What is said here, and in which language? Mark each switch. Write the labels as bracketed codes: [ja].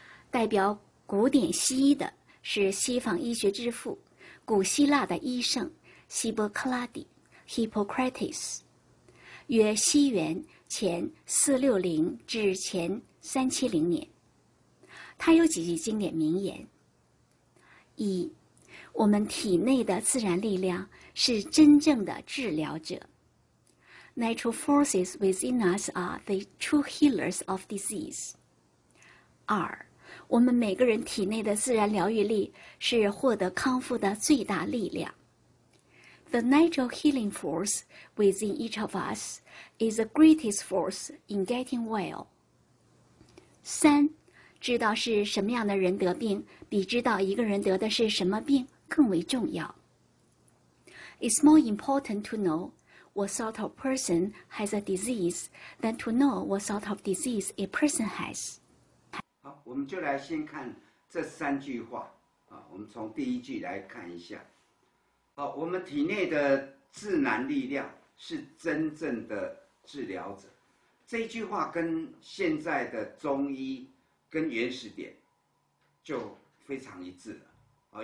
[zh] 代表古典西医的是西方医学之父古希腊的医圣希波克拉底 Hippocrates 约西元前460至前370年，他有几句经典名言：一，我们体内的自然力量是真正的治疗者。 [en] Natural forces within us are the true healers of disease. [zh] 二，我们每个人体内的自然疗愈力是获得康复的最大力量。 [en] The natural healing force within each of us is the greatest force in getting well. [zh] 三，知道是什么样的人得病，比知道一个人得的是什么病更为重要。 [en] It's more important to know what sort of person has a disease than to know what sort of disease a person has. [zh] 好，我们就来先看这三句话我们从第一句来看一下。好，我们体内的自然力量是真正的治疗者。这一句话跟现在的中医跟原始点就非常一致了。